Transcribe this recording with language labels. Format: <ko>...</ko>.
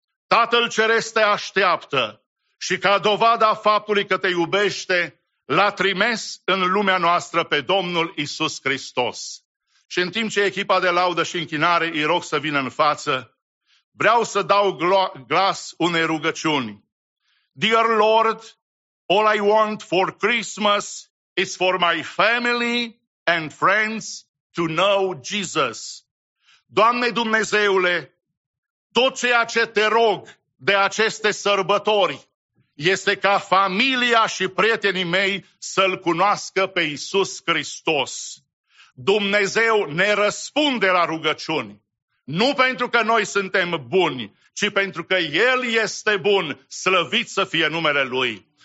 <ro>Tatăl Ceresc te așteaptă și ca dovada faptului că te iubește, l-a trimis în lumea noastră pe Domnul Iisus Hristos. Și în timp ce echipa de laudă și închinare îi rog să vină în față, vreau să dau glas unei rugăciuni.</ro> <en>Dear Lord, all I want for Christmas is for my family and friends to know Jesus.</en> <ro>Doamne Dumnezeule, tot ceea ce te rog de aceste sărbători este ca familia și prietenii mei să-L cunoască pe Iisus Hristos. Dumnezeu ne răspunde la rugăciuni, nu pentru că noi suntem buni, ci pentru că El este bun, slăvit să fie numele Lui.</ro>